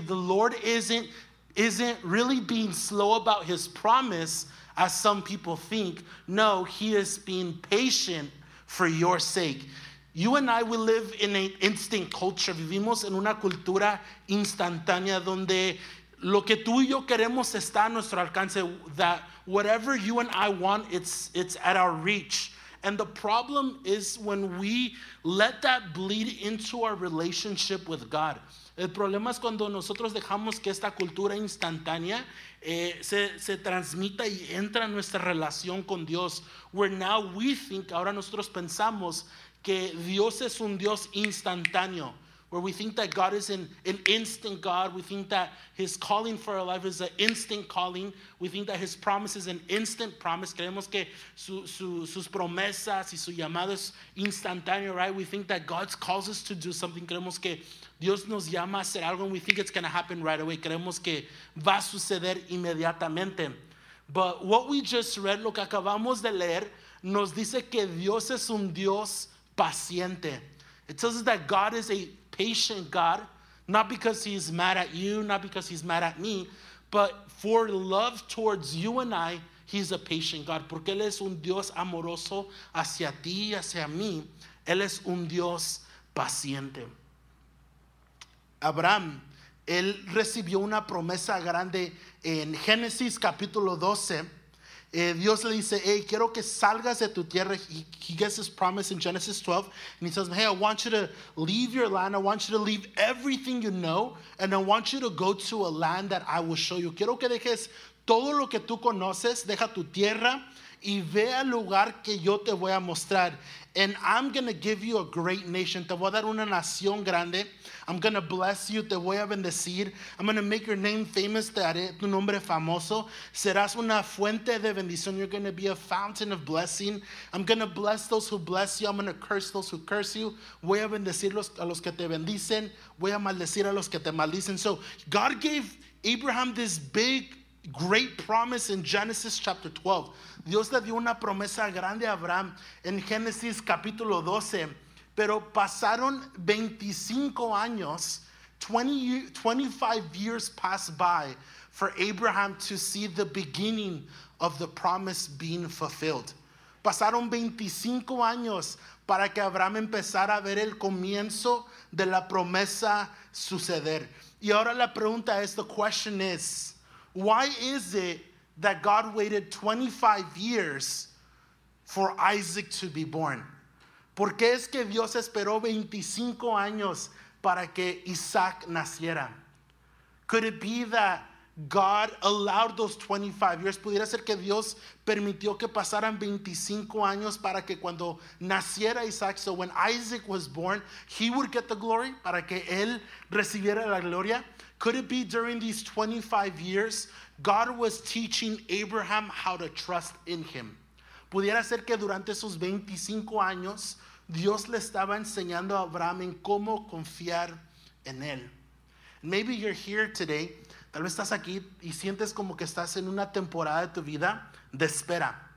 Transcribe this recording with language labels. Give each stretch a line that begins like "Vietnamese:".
English: The Lord isn't really being slow about his promise, as some people think. No, he is being patient for your sake. You and I, we live in an instant culture.
Spanish: Vivimos en una cultura instantánea donde lo que tú y yo queremos está a nuestro alcance.
English: That whatever you and I want, it's at our reach. And the problem is when we let that bleed into our relationship with God.
Spanish: El problema es cuando nosotros dejamos que esta cultura instantánea se transmita y entra en nuestra relación con Dios.
English: Where now we think,
Spanish: ahora nosotros pensamos que Dios es un Dios instantáneo.
English: Where we think that God is an instant God. We think that his calling for our life is an instant calling. We think that his promise is an instant promise.
Spanish: Creemos que sus promesas y su llamado es instantáneo, right?
English: We think that God calls us to do something.
Spanish: Creemos que Dios nos llama a hacer algo,
English: and we think it's going to happen right away.
Spanish: Creemos que va a suceder inmediatamente.
English: But what we just read,
Spanish: lo que acabamos de leer, nos dice que Dios es un Dios paciente.
English: It tells us that God is a patient God, not because he's mad at you, not because he's mad at me, but for love towards you and I, he's a patient God.
Spanish: Porque él es un Dios amoroso hacia ti y hacia mí. Él es un Dios paciente. Abraham, él recibió una promesa grande en Génesis capítulo 12. Dios le dice, hey, quiero que salgas de tu tierra.
English: He gets this promise in Genesis 12. And he says, hey, I want you to leave your land. I want you to leave everything you know. And I want you to go to a land that I will show you.
Spanish: Quiero que dejes todo lo que tú conoces. Deja tu tierra y ve al lugar que yo te voy a mostrar.
English: And I'm going to give you a great nation.
Spanish: Te voy a dar una nación grande.
English: I'm going to bless you.
Spanish: Te voy a bendecir.
English: I'm going to make your name famous.
Spanish: Te haré tu nombre famoso. Serás una fuente de bendición.
English: You're going to be a fountain of blessing. I'm going to bless those who bless you. I'm going to curse those who curse you.
Spanish: Voy a bendecir a los que te bendicen. Voy a maldecir a los que te maldicen.
English: So God gave Abraham this big, great promise in Genesis chapter 12.
Spanish: Dios le dio una promesa grande a Abraham en Génesis capítulo 12, pero pasaron 25 años,
English: 25 years passed by for Abraham to see the beginning of the promise being fulfilled.
Spanish: Pasaron 25 años para que Abraham empezara a ver el comienzo de la promesa suceder. Y ahora la pregunta es,
English: the question is, why is it that God waited 25 years for Isaac to be born?
Spanish: ¿Por qué es que Dios esperó 25 años para que Isaac naciera?
English: Could it be that God allowed those 25 years?
Spanish: ¿Pudiera ser que Dios permitió que pasaran 25 años para que cuando naciera Isaac,
English: so when Isaac was born, he would get the glory,
Spanish: para que él recibiera la gloria?
English: Could it be during these 25 years, God was teaching Abraham how to trust in him?
Spanish: Pudiera ser que durante esos 25 años, Dios le estaba enseñando a Abraham en cómo confiar en él.
English: Maybe you're here today,
Spanish: tal vez estás aquí y sientes como que estás en una temporada de tu vida de espera.